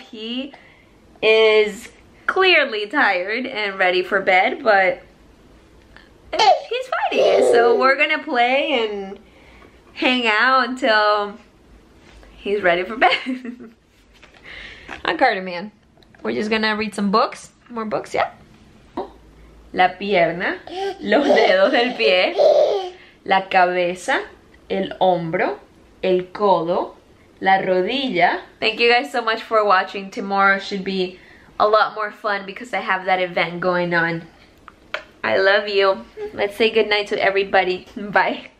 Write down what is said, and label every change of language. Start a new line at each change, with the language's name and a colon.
English: He is clearly tired and ready for bed, but he's fighting, so we're gonna play and hang out until he's ready for bed. I'm Carter Man. We're just gonna read some books. More books, yeah?
Spanish: La pierna, los dedos del pie, la cabeza, el hombro, el codo, la rodilla.
English: Thank you guys so much for watching. Tomorrow should be a lot more fun because I have that event going on. I love you. Let's say goodnight to everybody. Bye.